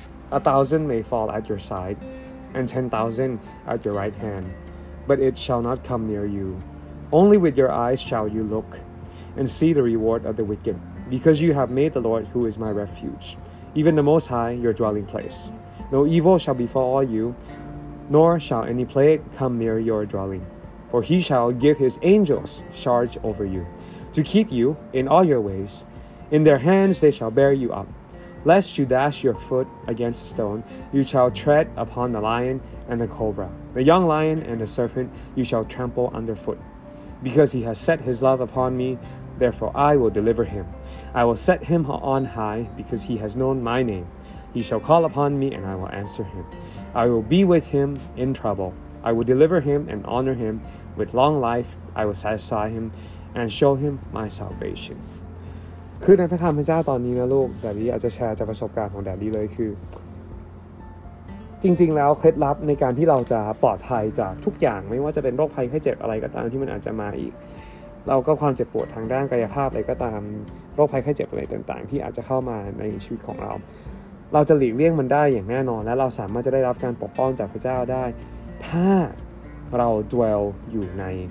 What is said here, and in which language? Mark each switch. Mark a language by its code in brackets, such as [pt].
[en] 1,000 may fall at your side and 10,000 at your right hand but it shall not come near you only with your eyes shall you look and see the reward of the wicked because you have made the Lord who is my refuge even the Most High your dwelling place no evil shall befall youNor shall any plague come near your dwelling, for he shall give his angels charge over you, to keep you in all your ways. In their hands they shall bear you up, lest you dash your foot against a stone. You shall tread upon the lion and the cobra, the young lion and the serpent you shall trample underfoot. Because he has set his love upon me, therefore I will deliver him. I will set him on high, because he has known my name. He shall call upon me and I will answer him. I will be with him in trouble. I will deliver him and honor him with long life. I will satisfy him and show him my salvation. [th] คือในพระธรรมพระเจ้าตอนนี้นะลูกแดดดี้อาจจะแชร์จากประสบการณ์ของแดดดี้เลยคือจริงๆแล้วเคล็ดลับในการที่เราจะปลอดภัยจากทุกอย่างไม่ว่าจะเป็นโรคภัยไข้เจ็บอะไรก็ตามที่มันอาจจะมาอีกเราก็ความเจ็บปวดทางด้านกายภาพอะไรก็ตามโรคภัยไข้เจ็บอะไรต่างๆที่อาจจะเข้ามาในชีวิตของเราเราจะหลีกเลี่ยงมันได้อย่างแน่นอนและเราสามารถจะได้รับการปกป้องจากพระเจ้าได้ถ้าเราดวลอยู่ใน